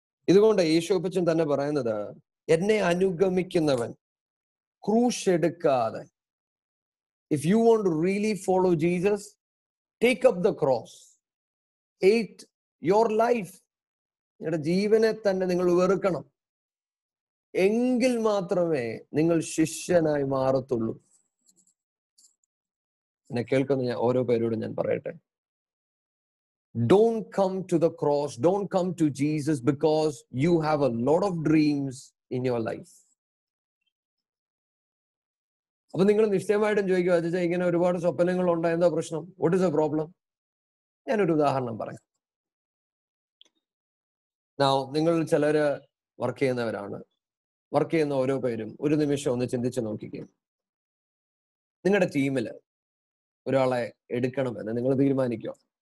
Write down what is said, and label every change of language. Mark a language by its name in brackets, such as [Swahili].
[Malayalam] ഇതുകൊണ്ട് യേശുവപ്പച്ചൻ തന്നെ പറയുന്നത്, എന്നെ അനുഗമിക്കുന്നവൻ ക്രൂശെടുക്കാതെ, [English] if you want to really follow Jesus take up the cross, hate your life, [Malayalam] നിങ്ങളുടെ ജീവനെ തന്നെ നിങ്ങൾ വെറുക്കണം, എങ്കിൽ മാത്രമേ നിങ്ങൾ ശിഷ്യനായി മാറത്തുള്ളൂ. എന്നെ കേൾക്കുന്ന ഓരോ പേരോടും ഞാൻ പറയട്ടെ, [English] don't come to the cross, don't come to Jesus, because you have a lot of dreams in your life. [Malayalam] അപ്പൊ നിങ്ങൾ നിശ്ചയമായിട്ടും ചോദിക്കും, അത് ഇങ്ങനെ ഒരുപാട് സ്വപ്നങ്ങൾ ഉണ്ട്, എന്താ പ്രശ്നം? [English] What is the problem? [Malayalam] ഞാനൊരു ഉദാഹരണം പറയാം. നാവ് നിങ്ങൾ ചിലര് വർക്ക് ചെയ്യുന്നവരാണ്. വർക്ക് ചെയ്യുന്ന ഓരോ പേരും ഒരു നിമിഷം ഒന്ന് ചിന്തിച്ച് നോക്കിക്കും, നിങ്ങളുടെ ടീമില് ഒരാളെ എടുക്കണമെന്ന് നിങ്ങൾ തീരുമാനിക്കുക.